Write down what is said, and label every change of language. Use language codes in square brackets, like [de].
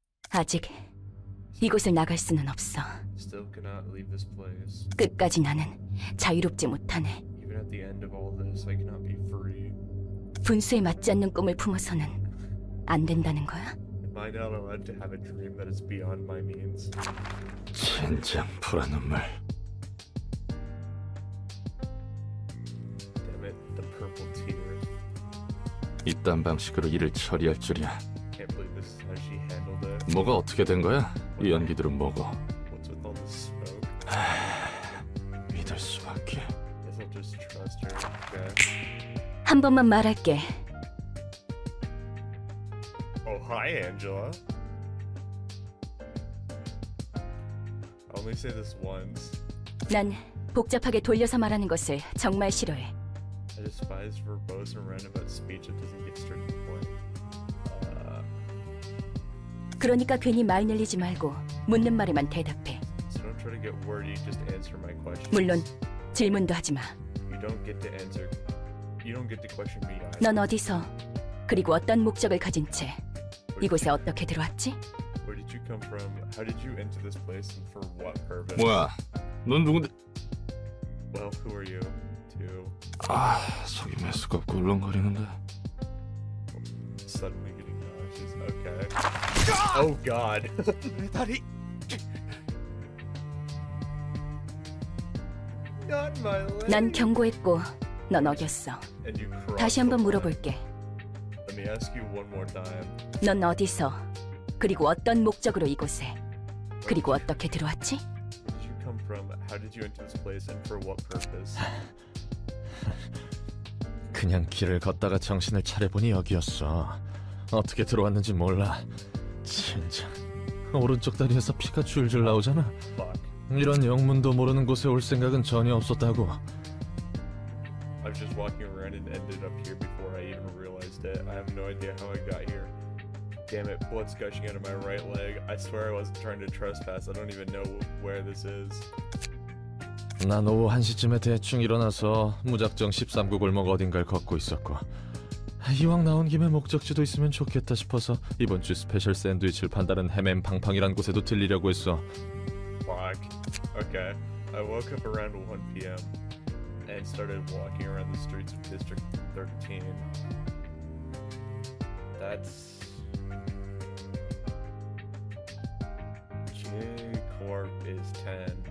[ko] 아직 이곳을 나갈 수는 없어. [en] Still cannot leave this place. [ko] 끝까지 나는 자유롭지 못하네. [en] Even at the end of all this, I cannot be free. [ko] 분수에 맞지 않는 꿈을 품어서는 안 된다는 거야? [en] Am I not allowed to have a dream that is beyond my means? [ko] 젠장 불안 눈물. [en] Damn it, the purple tear. [ko] 이딴 방식으로 일을 처리할 줄이야. [en] Can't believe this is how she handled it. [ko] 뭐가 어떻게 된 거야? 이 연기들은 뭐고? [en] What's with all the smoke? [ko] 믿을 수밖에. [en] Guess I'll just trust her, okay? [ko] 한 번만 말할게. [en] Oh, hi, Angela. I only say this once. [ko] 난 복잡하게 돌려서 말하는 것을 정말 싫어해. [en] I despise verbose and roundabout speech that doesn't get straight to the point. [ko] 그러니까 괜히 말 늘리지 말고 묻는 말에만 대답해. [en] So don't try to get wordy, just answer my questions. [ko] 물론 질문도 하지 마. [en] You don't get to answer. You don't get to question me. [ko] 넌 어디서 그리고 어떤 목적을 가진 채 이곳에 어떻게 들어왔지? [en] Where did you come from? How did you enter this place and for what purpose? [ko] 뭐야? 넌 누군데? [en] Well, who are you? Too. [ko] 아, 속이 메스껍 굴렁거리는데. [en] Suddenly getting nauseous. Okay. Oh God. [ko] 내 다리. [en] Not my leg. [ko] 난 경고했고. 넌 어겼어. 다시 한번 물어볼게. [en] Let me ask you one more time. [ko] 넌 어디서 그리고 어떤 목적으로 이곳에 그리고 어떻게 들어왔지? [en] Where did you come from? How did you enter this place and for what purpose? [ko] 그냥 길을 걷다가 정신을 차려보니 여기였어. 어떻게 들어왔는지 몰라. 진짜 오른쪽 다리에서 피가 줄줄 나오잖아. [en] Fuck. [ko] 이런 영문도 모르는 곳에 올 생각은 전혀 없었다고. [en] I was just walking around and ended up here before I even realized it. I have no idea how I got here. Damn it, blood's gushing out of my right leg. I swear I wasn't trying to trespass. I don't even know where this is. [ko] 난 오후 1시쯤에 대충 일어나서 무작정 13구 골목 어딘가를 걷고 있었고 이왕 나온 김에 목적지도 있으면 좋겠다 싶어서 이번 주 스페셜 샌드위치를 판다는 헤맨방팡이란 곳에도 들리려고 했어. [en] Fuck. Okay. I woke up around 1 p.m. and started walking around the streets of District 13. That's... K-Corp is 10.